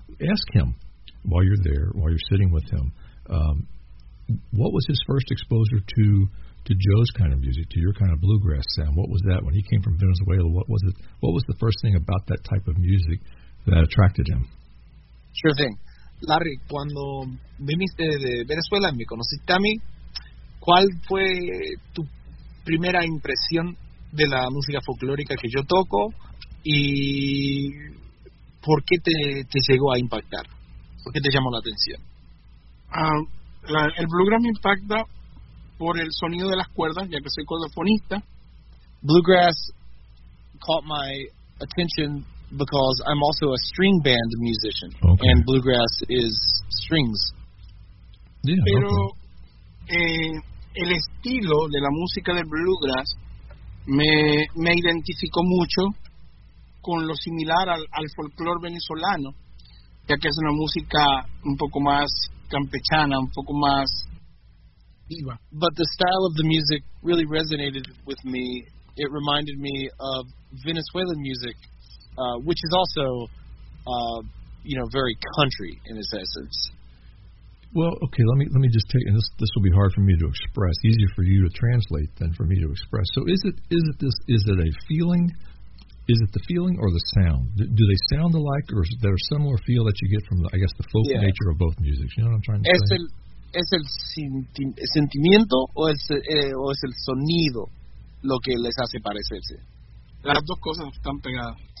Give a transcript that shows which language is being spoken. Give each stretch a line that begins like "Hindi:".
English: Ask him while you're there, while you're sitting with him, what was his first exposure to Joe's kind of music, to your kind of bluegrass sound? What was that when he came from Venezuela? What was it? What was the first thing about that type of music that attracted him? Sure thing.
Spanish: Larry, cuando viniste de Venezuela, me conociste a mí, ¿cuál fue tu primera impresión de la música folclórica que yo toco y por qué te llegó a impactar? ¿Por qué te llamó la atención? El bluegrass me impacta por el sonido de las cuerdas, ya que soy cordofonista.
English: Bluegrass caught my attention because I'm also a string band musician. Okay. And bluegrass is strings. Yeah,
Spanish: pero
English: okay.
Spanish: El estilo de la música del bluegrass me identificó mucho con lo similar al folclore venezolano, ya que es una música un poco más campechana, un poco más viva.
English: But the style of the music really resonated with me. It reminded me of Venezuelan music, which is also, very country in its essence. Well, okay, let me just take, and this will be hard for me to express, easier for you to translate than for me to express. So is it a feeling, is it the feeling or the sound? Do they sound alike, or is there a similar feel that you get from, I guess, the folk yeah. nature of both music? You know what I'm trying to
Spanish: es
English: say?
Spanish: ¿Es el sentimiento o es el sonido lo que les hace parecerse? Las dos cosas están pegadas.